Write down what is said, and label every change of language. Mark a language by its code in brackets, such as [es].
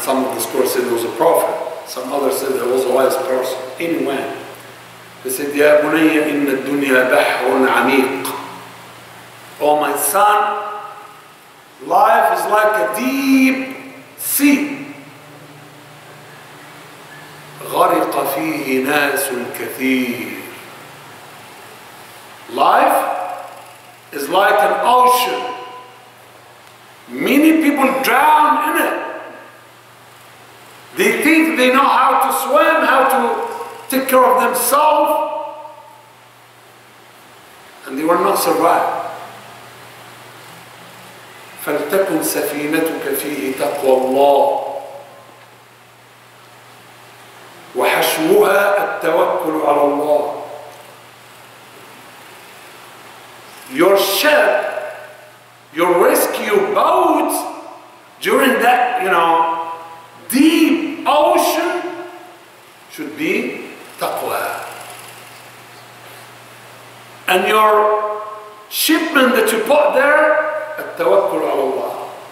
[en] Some of the scholars said he was a prophet. Some others said he was a wise person. Anyway, he said, [ar] يا بني إن الدنيا بحر عميق. [en] Oh my son, life is like a deep sea. [ar] غرق فيه ناس كثير. [en] Life is like an ocean. Many people drown in it. They think they know how to swim, how to take care of themselves. And they will not survive. [ar] فلتكن سفينتك فيه تقوى الله وحشوها التوكل على الله. [en] Your ship, your rescue boat during that, deep ocean should be taqwa. And your shipment that you put there, [ar] at-tawakkul ala Allah.